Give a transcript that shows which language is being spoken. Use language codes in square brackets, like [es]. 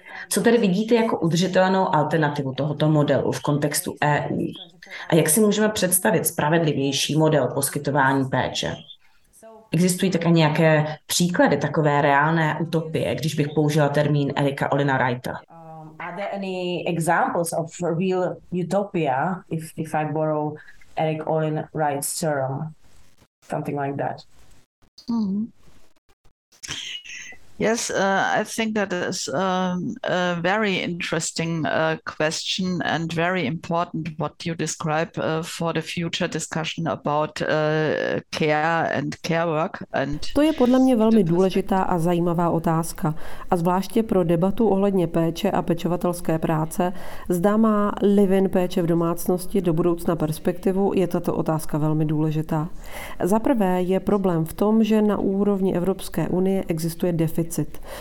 [cs] Co tedy vidíte jako udržitelnou alternativu tohoto modelu v kontextu EU? A jak si můžeme představit spravedlivější model poskytování péče? Existují také nějaké příklady takové reálné utopie, když bych použila termín Erika Olina Wrighta? [en] Are there any examples of real utopia, if I borrow Erik Olin Wright's term, something like that? Mm-hmm. Yes, I think that is a very interesting question and very important what you describe for the future discussion about care and care work. And [cs] to je podle mě velmi důležitá a zajímavá otázka. A zvláště pro debatu ohledně péče a pečovatelské práce, zda má live-in péče v domácnosti do budoucna perspektivu, je tato otázka velmi důležitá. Za prvé je problém v tom, že na úrovni Evropské unie existuje deficit.